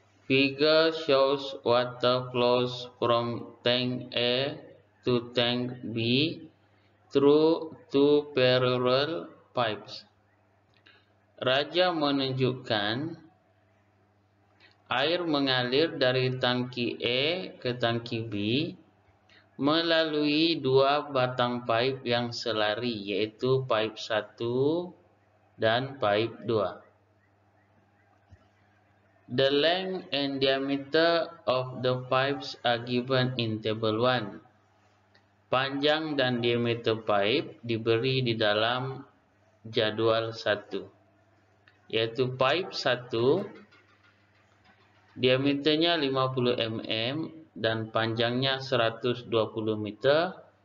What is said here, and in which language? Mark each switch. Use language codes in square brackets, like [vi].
[en] Figure shows water flows from tank A to tank B through two parallel pipes. [ms] Raja menunjukkan air mengalir dari tangki A ke tangki B melalui dua batang pipe yang selari, yaitu pipe 1 dan pipe 2. [en] The length and diameter of the pipes are given in table 1. [ms] Panjang dan diameter pipe diberi di dalam jadwal 1, yaitu pipe 1 diameternya 50 mm dan panjangnya 120 meter.